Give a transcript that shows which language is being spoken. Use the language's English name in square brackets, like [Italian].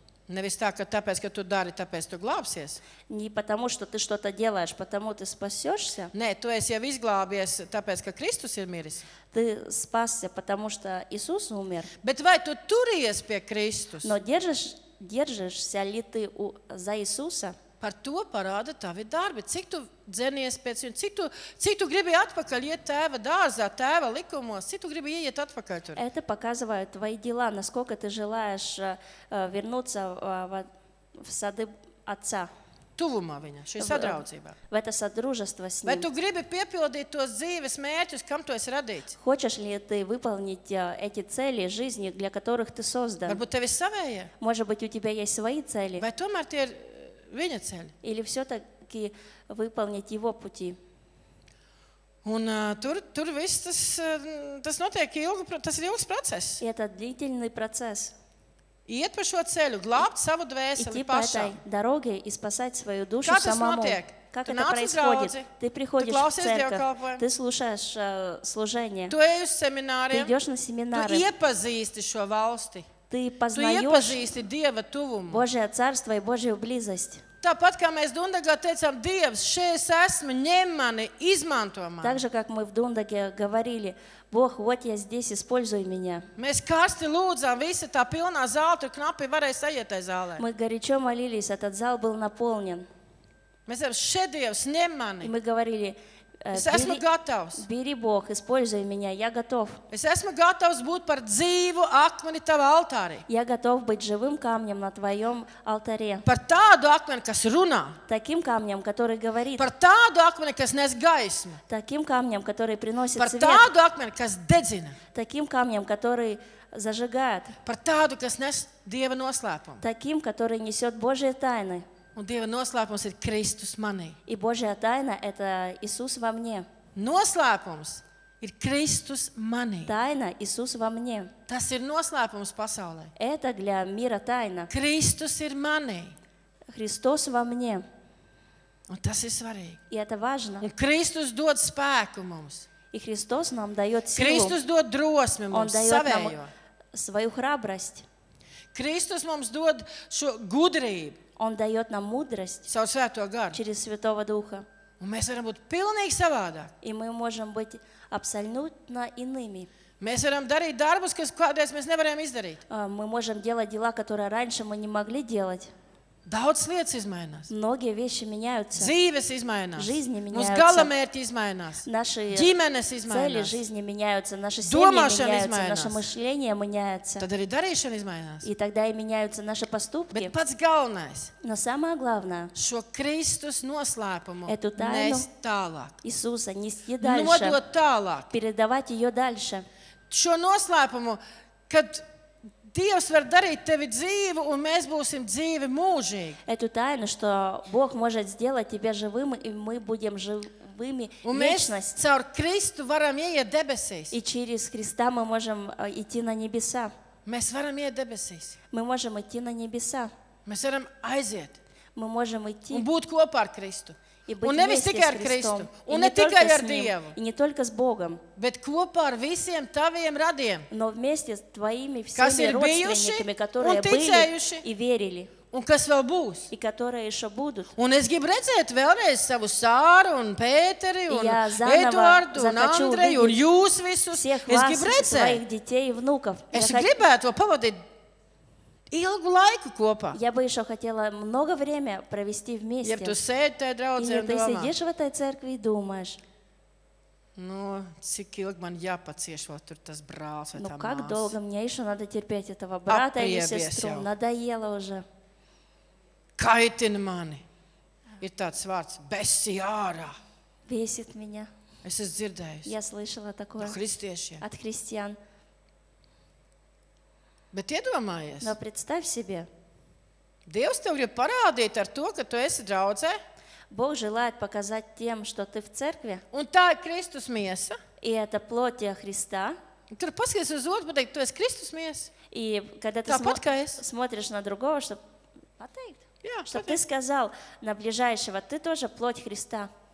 [Latvian] Nevis tā, ka tāpēc, ka tu dari, tāpēc tu glābsies. [Russian] Не потому, что ты что-то делаешь, потому ты спасешься. [Latvian] Nē, tu esi jau izglābies, тапец, ka Kristus ir miris. [Russian] Ты спасся, потому что Иисус умер. [Latvian] Bet vai tu turies pie Kristus? [Russian] Но держишься ли ты за Иисуса? [Latvian] Par to parāda tavi darbi. Cik tu dzenies pēc viņa? Cik tu gribi atpakaļ iet tēva dārzā, tēva likumos? Cik tu gribi iet atpakaļ tur? [Russian] Это показывает твои дела, насколько ты желаешь вернуться в сады отца. [Latvian] Tuvumā viņa, šī sadraudzībā. Vai tas [Russian] sadružestva s ним? [Latvian] Vai tu gribi piepildīt tos dzīves mērķus, kam tu esi radīts? [Russian] Хочешь ли ты выполнить эти цели жизни, для которых ты создан? [Latvian] Varbūt tev ir savējie? [Russian] Может быть, у тебя есть свои цели? [Latvian] Vai tomēr tie ir viņa ceļi? [Russian] Или все-таки выполнить его пути? [Latvian] Un tur viss tas notiek ilgu, tas ir ilgs process. [Russian] И это длительный процесс. [Latvian] Iet pa šo ceļu, glābt savu dvēseli pašam. [Russian] Дороге и спасать свою душу самому. Как это происходит? Ты приходишь в церковь, ты слушаешь служение. [Latvian] Tu ej uz semināri. [Russian] Ты идёшь на семинары. [Latvian] Tu iepazīsti šo valsti. [Russian] Ты познаёшь. [Latvian] Tu iepazīsti Dieva tuvumu. [Russian] Божье царство и Божью близость. [Latvian] Tāpat, kā mēs Dundagā teicām, Dievs, šeit es esmu, ņem mani, izmanto mani. [Russian] Так же, как мы в Дундаге говорили, Бог, вот я здесь, используй меня. [Latvian] Mēs karsti lūdzām, visa tā pilnā zāle, tur knapi varēja saiet tai zālē. [Russian] Мы горячо молились, этот зал был наполнен. [Latvian] Mēs esam, šeit Dievs, ņem mani. [Russian] И мы говорили, [Latvian] Es esmu gatavs. [Russian] Бери Бог, используй меня, я готов. [Latvian] Es esmu gatavs būt par dzīvu akmeni tavā altārī. [Russian] Я готов быть живым камнем на твоём алтаре. [Latvian] Par tādu akmeni, kas runā. [Russian] Таким камнем, который говорит. [Latvian] Par tādu akmeni, kas nes gaismu. [Russian] Таким камнем, который приносит свет. [Latvian] Par tādu akmeni, kas dedzina. [Russian] Таким камнем, который зажигает. [Latvian] Par tādu, kas nes Dieva noslēpumu. [Russian] Таким, который несёт Божьи тайны. [Latvian] Un Dieva noslēpums ir Kristus manī. [Russian] И Божья тайна это Иисус во мне. [Latvian] Noslēpums ir Kristus manī. [Russian] Тайна Иисус во мне. [Latvian] Tas ir noslēpums pasaulē. [Russian] Это для мира тайна. [Latvian] Kristus ir manī. [Russian] Христос во мне. [Latvian] Un tas ir svarīgi. [Russian] И это важно. [Latvian] Un Kristus dod spēku mums. [Russian] И Христос нам даёт силу. [Latvian] Kristus dod drosmi mums savējo. [Russian] Свою храбрость. [Latvian] Kristus mums dod šo gudrību. [Russian] Он даёт нам мудрость [Latvian] savu svēto garu. [Russian] Через Святого Духа. [Latvian] Un mēs varam būt pilnīgi savādāk. [Russian] И мы можем быть абсолютно иными. [Latvian] Mēs varam darīt darbus, kas kādreiz mēs nevarējām izdarīt. [Russian] Мы можем делать дела, которые раньше мы не могли делать. [Latvian] Daudz lietas izmainās. [Russian] Многие вещи меняются. [Latvian] Dzīves izmainās. [Russian] Жизни меняются. [Latvian] Mūsu galamērķi izmainās. [Russian] Наши [Latvian] ģimenes izmainās. [Russian] Цели жизни меняются. Наши семьи меняются. [Latvian] Izmainās. [Russian] Наше мышление меняется. [Latvian] Tad arī darīšana izmainās. [Russian] И тогда и меняются наши поступки. [Latvian] Bet pats galvenais. [Russian] Но самое главное. [Latvian] Šo Kristus noslēpumu. [Russian] Эту тайну. [Latvian] Nest tālāk. [Russian] Иисуса нести дальше. [Latvian] Nodot tālāk. [Russian] Передавать её дальше. [Latvian] Šo noslēpumu, kad Dievs var darīt tevi dzīvu, un mēs būsim dzīvi mūžīgi. [Russian] Эту тайну, что Бог может сделать тебя живым, и мы будем живыми вечность. [Latvian] Un mēs caur Kristu varam ieiet debesīs. [Russian] И через Христа мы можем идти на небеса. [Latvian] Mēs varam ieiet debesīs. [Russian] Мы можем идти на небеса. [Latvian] Mēs varam aiziet. [Russian] Мы можем идти. [Latvian] Un būt kopā ar Kristu. Un nevis tikai ar Kristu, un ne tikai ar Dievu. [Russian] I ne tolka s Bogom. [Latvian] Bet kopā ar visiem taviem radiem. [Russian] No vmeste s tvoimi всеми родственниками, которые были [Latvian] ticējuši, [Russian] и верили. [Latvian] Un kas vēl būs? [Russian] И которые ещё будут. [Latvian] Un es gribu redzēt vēlreiz savu Sāru un Pēteri un Eduardu un Andreju un jūs visus. Es gribu redzēt [Russian] своих детей и внуков. [Latvian] Es gribētu pavadīt ilgu laiku kopā. [Russian] Я бы ещё хотела много время провести вместе. [Latvian] Ja tu sēdi tajā draudzē un domā. Ja tu sēdi [Russian] в этой церкви и думаешь. Ну, [Latvian] cik ilgi man jāpacieš vēl tur tas brālis vai tā [Russian] Ну как долго мне ещё надо терпеть этого брата или сестру? Надоело уже. [Latvian] Kaitina mani. Ir tāds vārds besi ārā. Bēsit [Russian] меня. [Latvian] Es esmu dzirdējis. [Russian] Я слышала такое. [Latvian] No kristiešiem. [Russian] От христиан. [Latvian] Bet iedomājies. [Russian] Но представь себе. [Latvian] Dievs tev grib parādīt ar to, ka tu esi draudzē. [Russian] Бог желает показать тем, что ты в церкви. [Latvian] Un tā ir Kristus miesa. [Russian] И это плоть Христа. [Latvian] Tur paskaties uz otru, pateikt, tu esi Kristus miesa. [Russian] И когда ты [Latvian] Tāpat, kā es. [Russian] Смотришь на другого, чтобы [Latvian] pateikt. [Russian] Чтоб ты сказал на ближайшего, ты тоже плоть Христа.